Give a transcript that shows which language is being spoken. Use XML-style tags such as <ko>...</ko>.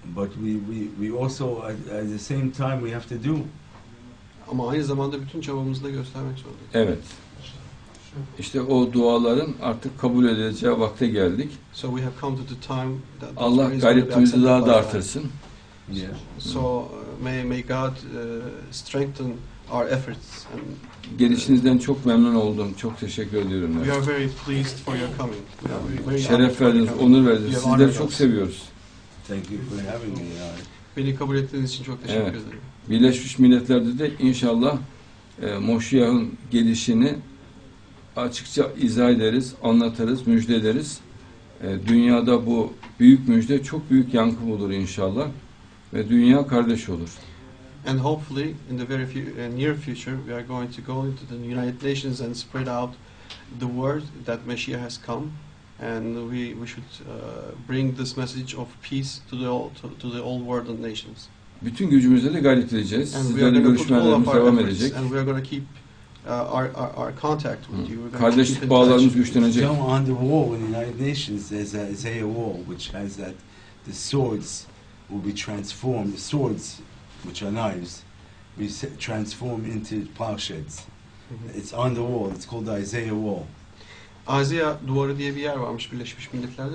<en>but we also at the same time we have to do</en> <tr>ama aynı zamanda bütün çabamızı da göstermek zorundayız evet. İşte o duaların artık kabul edileceği vakte geldik.</tr> <en>So we have come to the time that</en> <tr>Allah gayretimizi daha da artırsın.</tr> <en>Yeah. So may God strengthen our efforts. And,</en> <tr>gelişinizden çok memnun oldum. Çok teşekkür ediyorum.</tr> <en>We are very pleased for your coming.</en> <tr>Şeref verdiniz, onur verdiniz. Sizleri çok seviyoruz.</tr> <en>Thank you for having me.</en> <tr>Beni kabul ettiğiniz için çok teşekkür ederim. Birleşmiş Milletler'de de inşallah Moşiyah'ın gelişini açıkça izah ederiz, anlatırız, müjde ederiz. Dünyada bu büyük müjde çok büyük yankı bulur inşallah ve dünya kardeş olur.</tr> <en>And hopefully in the very near future we are going to go into the United Nations and spread out the word that Messiah has come and we should bring this message of peace to the all world and nations.</en> <tr>Bütün gücümüzle de gayret edeceğiz. Sizlerle görüşmelerimiz devam edecek.</tr> <en>And we are going to keep our contact with you.</en> <tr>Kardeşlik bağlarımız güçlenecek.</tr> <en>Come on the wall in the United Nations there's an Isaiah wall which has that the swords will be transformed, the swords which are knives be transformed into plowsheds. It's on the wall, it's called the Isaiah wall.</en> <tr>Isaiah duvarı diye bir yer varmış Birleşmiş Milletler'de.</tr>